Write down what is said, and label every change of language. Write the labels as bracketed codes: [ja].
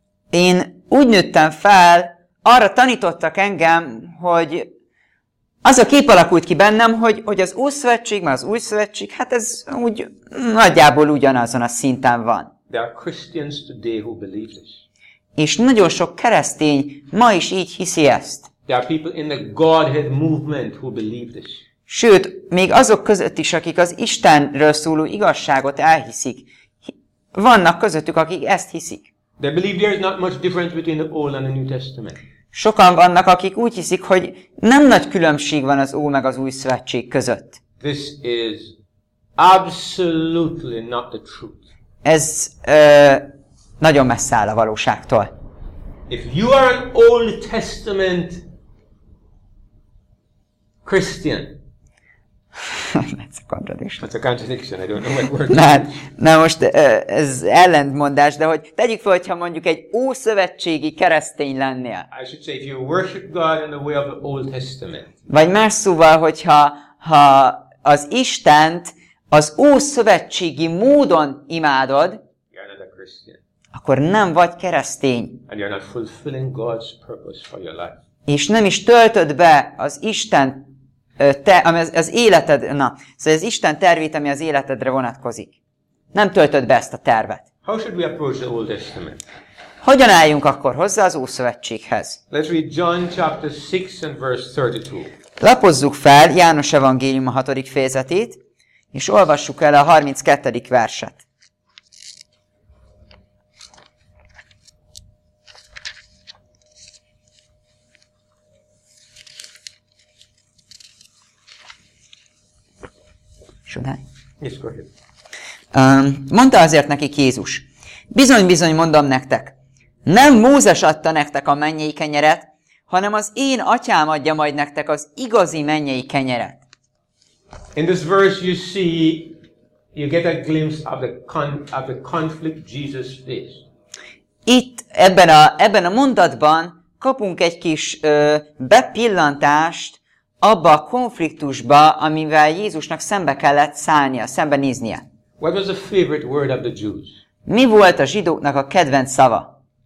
[hu] Én úgy nőttem fel, arra tanítottak engem, hogy az a kép alakult ki bennem, hogy az Ószövetség, mert az Új Szövetség, hát ez úgy nagyjából ugyanazon a szinten van. [en] There are Christians today who believe this. [hu] És nagyon sok keresztény ma is így hiszi ezt. [en] There are people in the Godhead movement who believe this. [hu] Sőt, még azok között is, akik az Istenről szóló igazságot elhiszik, vannak közöttük, akik ezt hiszik. [en] They believe there is not much difference between the Old and the New Testament. [hu] Sokan vannak, akik úgy hiszik, hogy nem nagy különbség van az Új meg az Új Szövetség között. [en] This is absolutely not the truth. [hu] Ez nagyon messze áll a valóságtól. [en] If you are an Old Testament Christian. That's a contradiction. That's a contradiction. I don't know what word. [hu] Na, most ez ellentmondás, de hogy tegyük fel, hogyha mondjuk egy ószövetségi keresztény lennél. [en] I should say if you worship God in the way of the Old Testament. [hu] Vagy más szóval, hogyha ha az Istent az ószövetségi módon imádod, [en] you're not a Christian. [hu] Akkor nem vagy keresztény. [en] And you're not fulfilling God's purpose for your life. [hu] És nem is töltöd be az Isten az Isten tervét, ami az életedre vonatkozik. Nem töltöd be ezt a tervet. [en] How should we approach the Old Testament? [hu] Hogyan álljunk akkor hozzá az Ószövetséghez? [en] Let's read John chapter 6 and verse 32. [hu] Lapozzuk fel János evangélium a 6. fejezetét, és olvassuk el a 32. verset. [en] Yes, go ahead. [hu] Mondta azért nekik Jézus. Bizony-bizony mondom nektek, nem Mózes adta nektek a mennyei kenyeret, hanem az én atyám adja majd nektek az igazi mennyei kenyeret. [en] In this verse you see, you get a glimpse of the conflict Jesus faced. [hu] Itt ebben a mondatban kapunk egy kis bepillantást abba a konfliktusba, amivel Jézusnak szembe kellett szállnia, szembenéznie. [en] What was the favorite word of the Jews? [hu] Mi volt a zsidóknak a kedvenc szava?